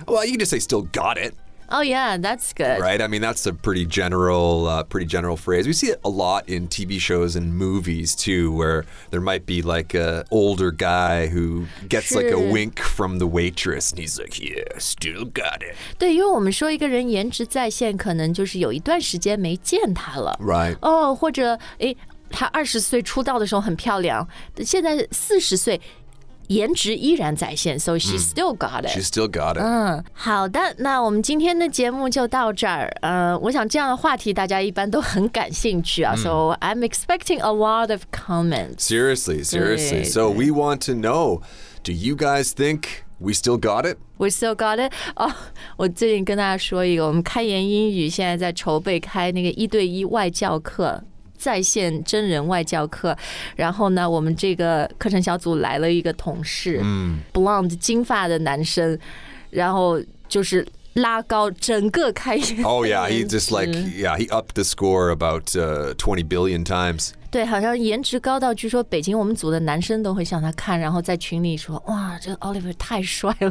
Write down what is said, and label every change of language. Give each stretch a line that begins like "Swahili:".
English: Well, you can just say still got it. Oh yeah, that's good. Right, I mean that's a pretty general phrase. We see it a lot in TV shows and movies too where there might be like an older guy who gets like a wink from the waitress and he's like, yeah, still got it.
Chinese: 对因为我们说一个人颜值在线可能就是有一段时间没见他了
English: Right.
Chinese: 哦、oh, 或者诶她二十岁出道的时候很漂亮，现在四十岁，颜值依然在线 ，
English: so she still got it. She still got it.
Chinese: 好的，那我们今天的节目就到这儿。我想这样的话题大家一般都很感兴趣啊。
English: So I'm expecting a lot of comments. Seriously. So we want to know, do you guys think we still got it? We still got it.
Chinese: 哦、oh, ，我最近跟大家说一个，我们开言英语现在在筹备开那个一对一外教课。在线真人外教课然后呢我们这个课程小组来了一个同事、blonde 金发的男生然后就是拉高整个开业
English: Oh yeah, he just like, yeah, he upped the score about 20 billion times.
Chinese: 对好像颜值高到据说北京我们组的男生都会向他看然后在群里说哇这 Oliver 太帅了。